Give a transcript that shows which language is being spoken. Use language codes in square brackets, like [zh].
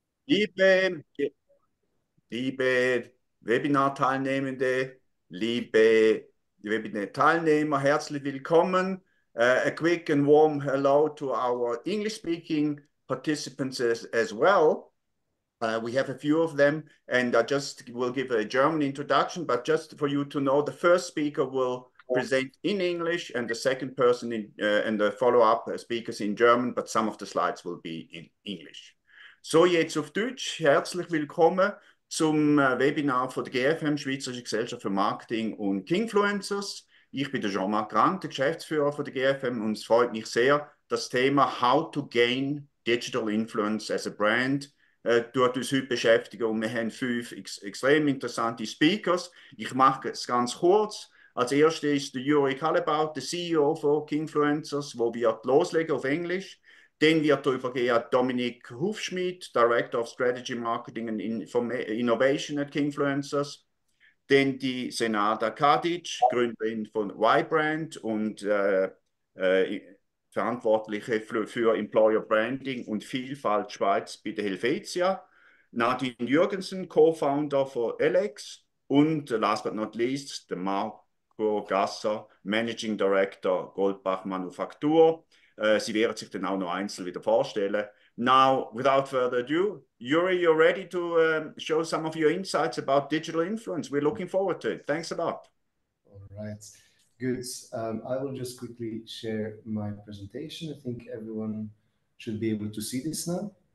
[de] Liebe Webinar-Teilnehmende, liebe Webinar-Teilnehmer, herzlich willkommen. [en] A quick and warm hello to our English-speaking participants as well. We have a few of them, and I just will give a German introduction. But just for you to know, the first speaker will present in English, and the second person and the follow-up speakers in German. But some of the slides will be in English. [de] So, jetzt auf Deutsch. Herzlich willkommen zum Webinar von der GFM, Schweizerische Gesellschaft für Marketing und Kingfluencers. Ich bin der Jean-Marc Grant, der Geschäftsführer von der GFM, und es freut mich sehr, das Thema How to Gain Digital Influence as a Brand durch uns heute beschäftigen. Und wir haben fünf extrem interessante Speakers. Ich mache es ganz kurz. Als erster ist der Juri Kallebaut, der CEO von Kingfluencers, wo wir loslegen auf Englisch. Dann wird er übergehen Dominik Hufschmid, Director of Strategy Marketing and Innovation at Kingfluencers. Dann die Senada Kadic, Gründerin von Y-Brand und Verantwortliche für Employer Branding und Vielfalt Schweiz bei der Helvetia. Nadine Jürgensen, Co-Founder von Alex. Und [en] last but not least, [de] der Marco Gasser, Managing Director Goldbach Manufaktur. Sie werden sich dann auch noch einzeln wieder vorstellen. [en] Now, without further ado, Yuri, you're ready to show some of your insights about digital influence. We're looking forward to it. Thanks a lot. Right, good. I will just quickly share my presentation. I think everyone should be able to see this now.